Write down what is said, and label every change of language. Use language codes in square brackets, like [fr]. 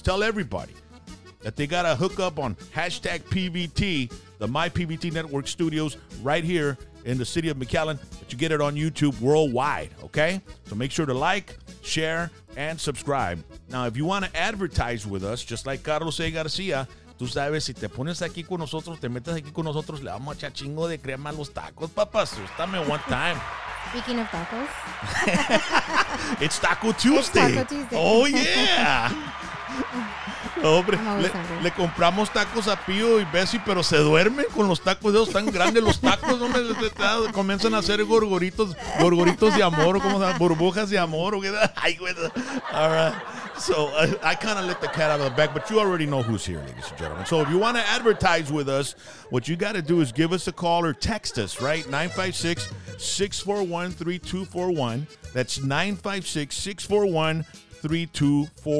[en] Tell everybody that they got to hook up on hashtag PVT, the My PVT Network Studios, right here in the city of McAllen. But you get it on YouTube worldwide, okay? So make sure to like, share, and subscribe. Now, if you want to advertise with us, just like Carlos A. [es] Garcia, tú sabes, si te pones aquí con nosotros, te metes aquí con nosotros, le vamos a echar chingo de crema a los tacos, papá. Asústame [en] one time. Speaking of tacos. It's Taco Tuesday. It's Taco Tuesday. Oh, yeah. [es] Hombre, le compramos tacos a Pío y Bessie, pero se duermen con los tacos de esos tan grandes. Los tacos no me comienzan a hacer gorgoritos de amor, o como burbujas de amor. Ay, güey. [en] All right. So I kind of let the cat out of the bag, but you already know who's here, ladies and gentlemen. So if you want to advertise with us, what you got to do is give us a call or text us, right? 956-641-3241. That's 956-641-3241.